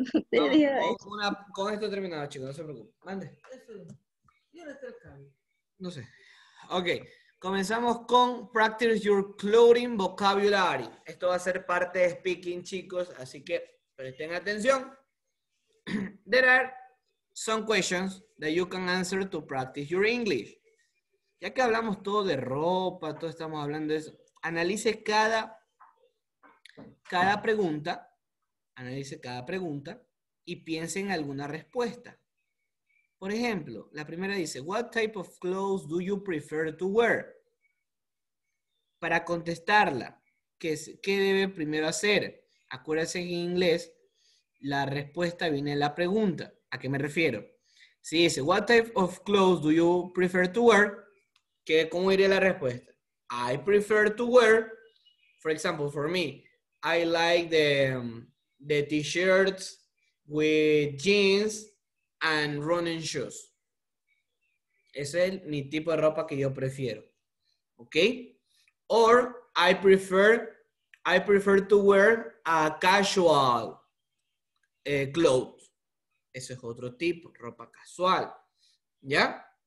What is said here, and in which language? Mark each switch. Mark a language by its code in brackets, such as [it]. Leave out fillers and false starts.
[es] no, con esto terminado, chicos, no se preocupen. Mande. No sé. Ok, comenzamos con [en] Practice Your Clothing Vocabulary. [es] Esto va a ser parte de speaking, chicos, así que presten atención. [en] There are some questions that you can answer to practice your English. [es] Ya que hablamos todo de ropa, todo estamos hablando de eso, analice cada pregunta. Analice cada pregunta y piense en alguna respuesta. Por ejemplo, la primera dice, [en] What type of clothes do you prefer to wear? [es] Para contestarla, ¿qué debe primero hacer? Acuérdense que en inglés la respuesta viene la pregunta. ¿A qué me refiero? Si dice, [en] what type of clothes do you prefer to wear? [es] ¿Qué, cómo iría la respuesta? [en] I prefer to wear, for example, for me, I like the t-shirts with jeans and running shoes. [es] Ese es mi tipo de ropa que yo prefiero. [en] ¿Ok? Or, I prefer to wear a casual clothes. [es] Eso es otro tipo, ropa casual. ¿Ya?